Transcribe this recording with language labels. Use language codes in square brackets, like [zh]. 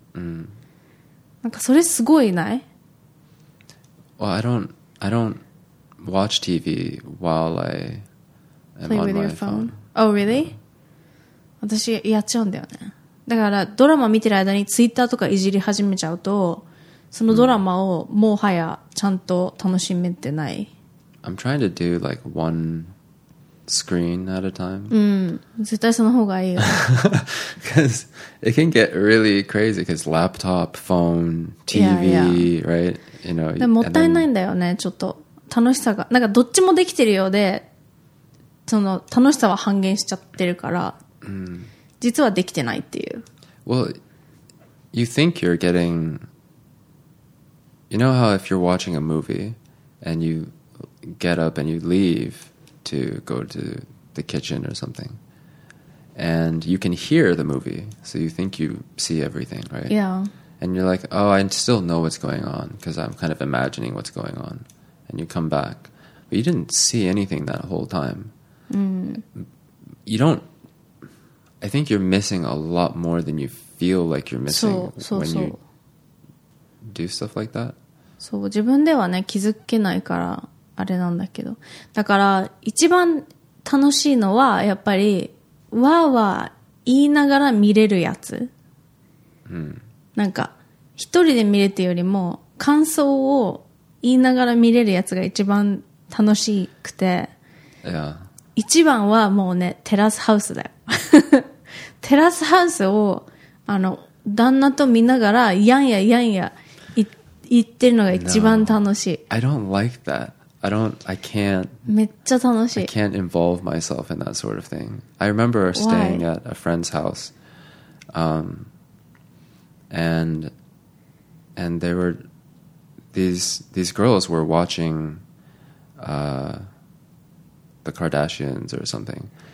[ja] mm. なんかそれすごいない [en] Well, I don't watch TV while I am Play on with my your phone. phone Oh, really? Yeah. [ja] 私やっちゃうんだよねだからドラマ見てる間に Twitter とかいじり始めちゃうとそのドラマをもはやちゃんと楽しめてない、 [en] mm. I'm trying to do like oneScreen at a time. Because it can get really crazy because laptop, phone, TV, yeah, yeah. right? You know, [ja] でももったいないんだよね、ちょっと。楽しさが。なんかどっちもできてるようで、その楽しさは半減しちゃってるから、 mm. 実はできてないっていう。 [en] Well, you think you're getting... You know how if you're watching a movie and you get up and you leave... to go to the kitchen or something. And you can hear the movie, so you think you see everything, right? Yeah. And you're like, oh, I still know what's going on because I'm kind of imagining what's going on. And you come back. But you didn't see anything that whole time. Mm. You don't... I think you're missing a lot more than you feel like you're missing when you do stuff like that. [ja] そう、自分ではね、気づけないから。あれなんだけど。だから、一番楽しいのは、やっぱり、わーわー言いながら見れるやつ。うん。なんか、一人で見れてよりも、感想を言いながら見れるやつが一番楽しくて。いや。一番はもうね、テラスハウスだよ。テラスハウスを、あの、旦那と見ながら、やんややんや言ってるのが一番楽しい。 [en] No. I don't like that. I don't, I can't, [ja] めっちゃ楽しい。 [en] I can't involve myself in that sort of thing. I remember staying、Why? At a friend's house, and there were, these girls were watching, the Kardashians or something.